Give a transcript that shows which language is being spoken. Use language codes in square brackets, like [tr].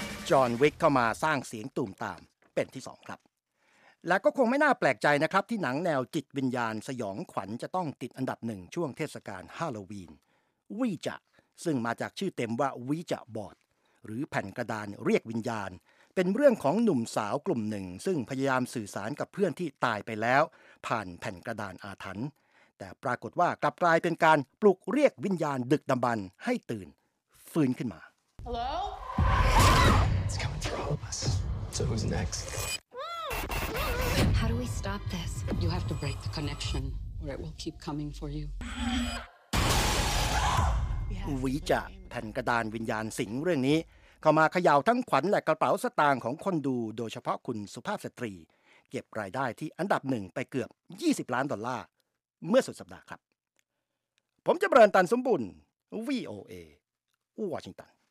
[th] John Wick เข้ามาสร้างเสียงตูมตามเป็นที่2ครับและก็คงไม่น่าแปลกใจนะครับที่หนังแนวจิตวิญญาณสยองขวัญจะต้องติดอันดับหนึ่งช่วงเทศกาลฮาโลวีนวีจะซึ่งมาจากชื่อเต็มว่าวีจะบอร์ดหรือแผ่นกระดานเรียกวิญญาณเป็นเรื่องของหนุ่มสาวกลุ่มหนึ่งซึ่งพยายามสื่อสารกับเพื่อนที่ตายไปแล้วผ่านแผ่นกระดานอาถรรพ์แต่ปรากฏว่ากลับกลายเป็นการปลุกเรียกวิญญาณดึกดำบรรพ์ให้ตื่นฟื้นขึ้นมา [en] Hello It's coming through all of us So who's next How do we stop this? You have to break the connection, or it will keep coming for you. [th] วิจะแผ่นกระดานวิญญาณสิงเรื่องนี้เข้ามาเขย่าทั้งขวัญและกระเป๋าสตางค์ของคนดูโดยเฉพาะคุณสุภาพสตรีเก็บรายได้ที่อันดับหนึ่งไปเกือบ20ล้านดอลลาร์เมื่อสุดสัปดาห์ครับผมจะเบรนตันสมบุญ VOA วอชิงตัน